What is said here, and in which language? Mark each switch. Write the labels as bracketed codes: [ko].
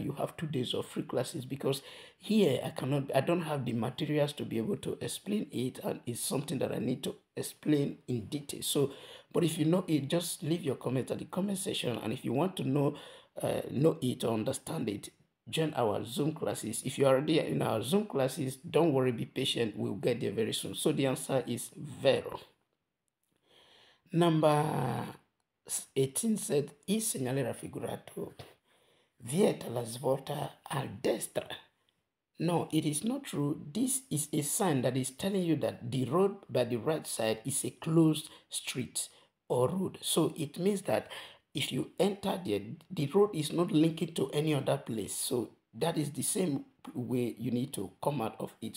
[en] You have 2 days of free classes, because here I don't have the materials to be able to explain it, and it's something that I need to explain in detail. So, but if you know it, just leave your comment at the comment section. And if you want to know it or understand it, join our Zoom classes. If you are already in our Zoom classes, don't worry, be patient, we'll get there very soon. So the answer is vero. Number 18 said, [it] il segnale raffigurato vieta la svolta a destra. [en] No, it is not true. This is a sign that is telling you that the road by the right side is a closed street or road. So it means that if you enter there, the road is not linked to any other place. So that is the same way you need to come out of it.